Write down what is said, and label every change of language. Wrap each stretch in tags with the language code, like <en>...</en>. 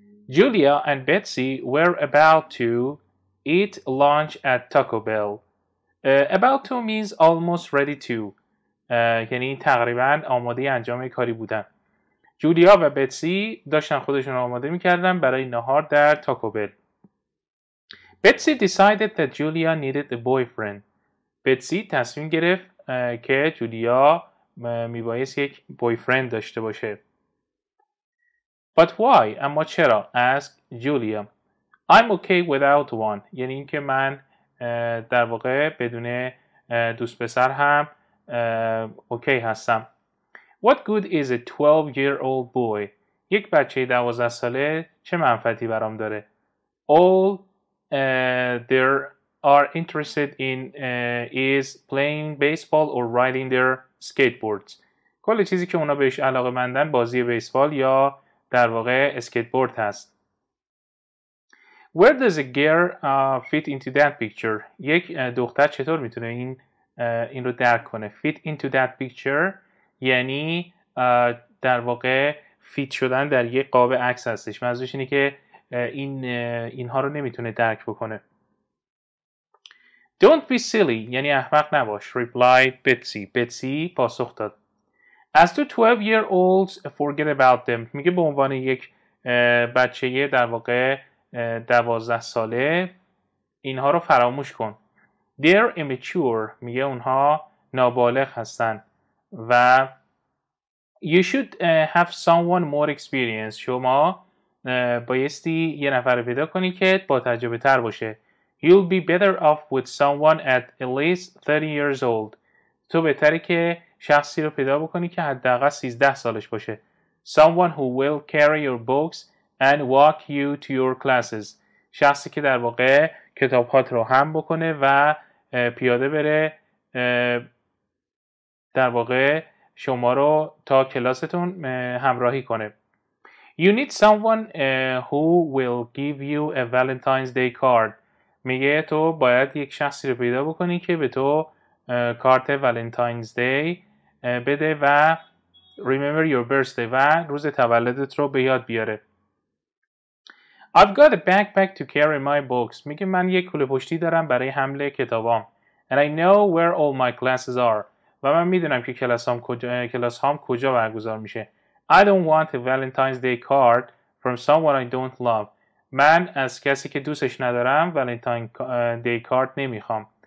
<en>Julia and Betsy were about to eat lunch at Taco Bell. About to means almost ready to.</en> <fa>یعنی تقریبا آماده انجام کاری بودن. جولیا و بتسی داشتن خودشون آماده میکردن برای نهار در تاکو بل.</fa> <en>Betsy decided that Julia needed a boyfriend.</en> <fa>بتسی تصمیم گرفت که جولیا میبایست یک بویفرند داشته باشه.</fa> <en>But why?</en> <fa>اما چرا؟</fa> <en>Ask Julia. I'm okay without one.</en> <fa>یعنی اینکه من در واقع بدون دوست پسر هم اوکی هستم.</fa> <en>What good is a 12-year-old boy?</en> <fa>یک بچه 12 ساله چه منفعتی برام داره؟</fa> <en>All there are interested in is playing baseball or riding their skateboards.</en> <fa>کل چیزی که اونا بهش علاقه مندن بازی بیسبال یا در واقع اسکیتبورد هست.</fa> <en>Where does a girl fit into that picture?</en> <fa>یک دختر چطور میتونه این رو درک کنه؟</fa> <en>Fit into that picture</en> <fa>یعنی در واقع فیت شدن در یک قاب عکس هستش. منظورش اینه که اینها رو نمیتونه درک بکنه.</fa> <en>Don't be silly</en> <fa>یعنی احمق نباش.</fa> <en>Reply Betsy. Betsy</en> <fa>پاسخ داد.</fa> <en>As to 12 year olds, forget about them.</en> <fa>میگه به عنوان یک بچه در واقع 12 ساله اینها رو فراموش کن.</fa> <en>They're immature.</en> <fa>میگه اونها نابالغ هستن و</fa> <en>you should have someone more experienced.</en> <fa>شما بایستی یه نفر پیدا کنی که با تجربه تر باشه.</fa> <en>You'll be better off with someone at least 30 years old.</en> <fa>تو بهتره که شخصی رو پیدا بکنی که حداقل 13 سالش باشه.</fa> <en>Someone who will carry your books and walk you to your classes.</en> <fa>شخصی که در واقع کتابات رو هم بکنه و پیاده بره در واقع شما رو تا کلاستون همراهی کنه.</fa> <en>You need someone who will give you a Valentine's Day card.</en> <fa>میگه تو باید یک شخصی رو پیدا بکنی که به تو کارت Valentine's Day بده و</fa> <en>remember your birthday</en> <fa>و روز تولدت رو به یاد بیاره.</fa> <en>I've got a backpack to carry my books.</en> <fa>میگه من یک کوله پشتی دارم برای حمل کتابام.</fa> <en>And I know where all my classes are.</en> <fa>و من میدونم که کلاس هام کجا برگزار میشه.</fa> <en>I don't want a Valentine's Day card from someone I don't love.</en> <fa>من از کسی که دوستش ندارم Valentine's Day card نمیخوام.</fa>